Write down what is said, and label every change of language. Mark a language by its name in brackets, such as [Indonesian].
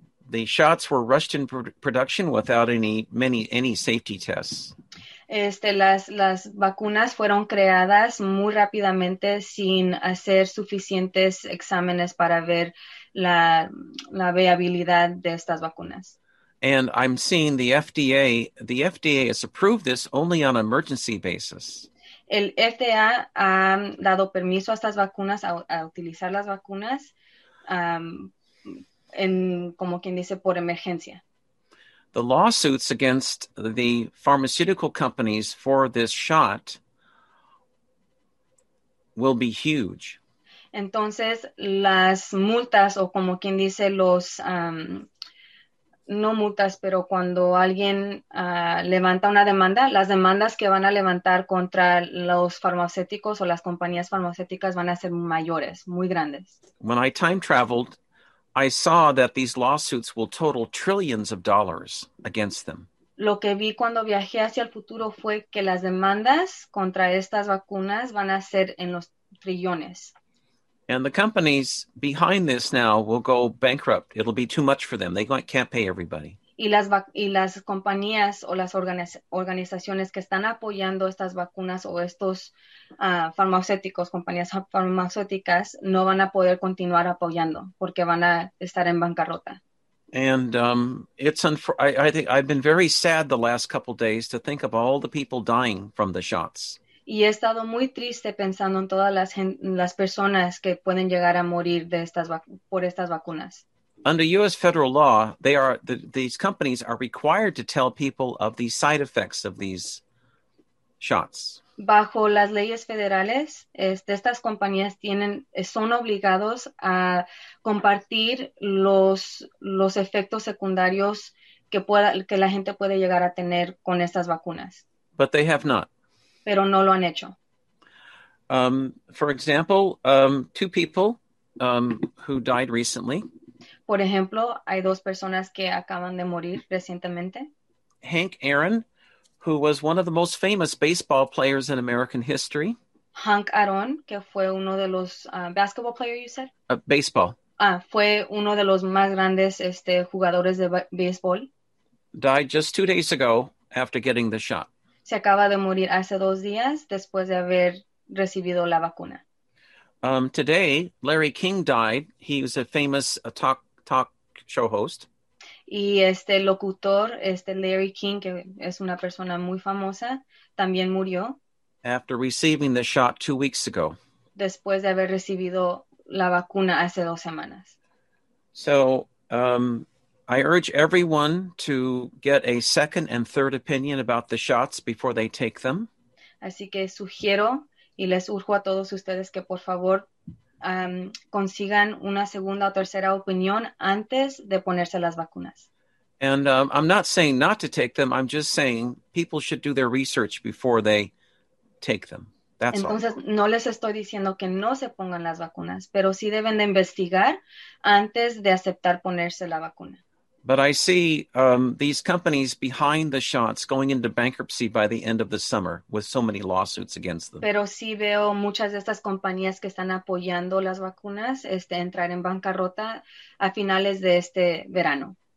[English] The shots were rushed in production without any safety tests. [Spanish] Las vacunas fueron creadas muy rápidamente sin hacer suficientes exámenes para ver la viabilidad de estas vacunas. [English] And I'm seeing the FDA has approved this only on an emergency basis. [Spanish] El FDA ha dado permiso a estas vacunas, a utilizar las vacunas, en, como quien dice, por emergencia. [English] The lawsuits against the pharmaceutical companies for this shot will be huge. [Spanish] Entonces, las multas, o como quien dice, los... no multas, pero cuando alguien levanta una demanda, las demandas que van a levantar contra los farmacéuticos o las compañías farmacéuticas van a ser mayores, muy grandes. [English] When I time traveled, I saw that these lawsuits will total trillions of dollars against them. [Spanish] Lo que vi cuando viajé hacia el futuro fue que las demandas contra estas vacunas van a ser en los trillones. [English] And the companies behind this now will go bankrupt. It'll be too much for them. They can't pay everybody. [Spanish] Y las compañías o las organizaciones que están apoyando estas vacunas o estos farmacéuticos, compañías farmacéuticas, no van a poder continuar apoyando porque van a estar en bancarrota. [English] And I think I've been very sad the last couple of days to think of all the people dying from the shots. [Spanish] Y he estado muy triste pensando en todas las personas que pueden llegar a morir de estas por estas vacunas. [English] Under U.S. federal law, these companies are required to tell people of the side effects of these shots. [Spanish] Bajo las leyes federales, estas compañías son obligados a compartir los efectos secundarios que la gente puede llegar a tener con estas vacunas. [English] But they have not. [Spanish] Pero no lo han hecho. [English] For example, two people who died recently. [Spanish] Por ejemplo, hay dos personas que acaban de morir recientemente. [English] Hank Aaron, who was one of the most famous baseball players in American history. [Spanish] Hank Aaron, que fue uno de los [English] basketball players, you said? Baseball. [Spanish] Ah, fue uno de los más grandes jugadores de béisbol. [English] Died just 2 days ago after getting the shot. [Spanish] Se acaba de morir hace 2 días después de haber recibido la vacuna. [English] Today, Larry King died. He was a famous talk show host. [Spanish] Y este locutor, Larry King, que es una persona muy famosa, también murió. [English] After receiving the shot 2 weeks ago. [Spanish] Después de haber recibido la vacuna hace 2 semanas. [English] So, I urge everyone to get a second and third opinion about the shots before they take them. [Spanish] Así que sugiero y les urjo a todos ustedes que por favor consigan una segunda o tercera opinión antes de ponerse las vacunas. [English] And I'm not saying not to take them. I'm just saying people should do their research before they take them. That's [Spanish] Entonces, [English] all. [Spanish] No les estoy diciendo que no se pongan las vacunas, pero sí deben de investigar antes de aceptar ponerse la vacuna. [English] But I see these companies behind the shots going into bankruptcy by the end of the summer with so many lawsuits against them. [Spanish] Pero sí veo muchas de estas compañías que están apoyando las vacunas entrar en bancarrota a finales de este verano.